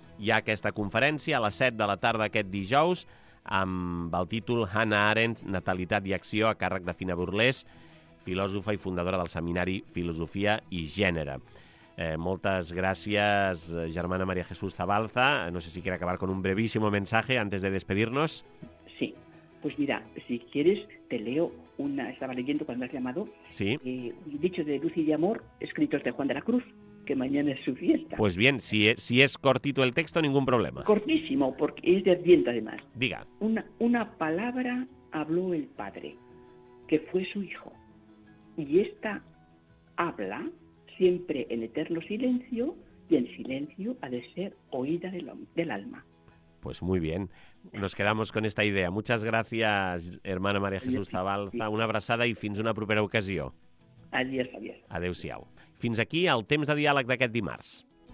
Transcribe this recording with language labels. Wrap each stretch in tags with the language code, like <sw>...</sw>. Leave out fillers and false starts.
<ca>Hi ha aquesta conferència a les 7 de la tarda aquest dijous, amb el títol Hannah Arendt, Natalitat i Acció, a càrrec de Fina Burlés, filòsofa i fundadora del seminari Filosofia i Gènere. Moltes gràcies, germana María Jesús Zabalza.</ca> <es>No sé si quiere acabar con un brevísimo mensaje antes de despedirnos. Sí, pues mira, si quieres, te leo una... Estaba leyendo cuando has llamado. Sí. Un dicho de Luz y Amor, escritos de Juan de la Cruz, que mañana es su fiesta. Pues bien, si es cortito el texto, ningún problema. Cortísimo, porque es de Adviento además. Diga. Una palabra habló el Padre, que fue su Hijo. Y esta habla siempre en eterno silencio, y en silencio ha de ser oída del alma. Pues muy bien, nos quedamos con esta idea. Muchas gracias, hermana María Jesús Zabalza.</es> <ca>Una abraçada i fins una propera ocasió.</ca> <es>Adiós, adiós.</es> <ca>Adéu-siau. Fins aquí el temps de diàleg d'aquest dimarts.</ca>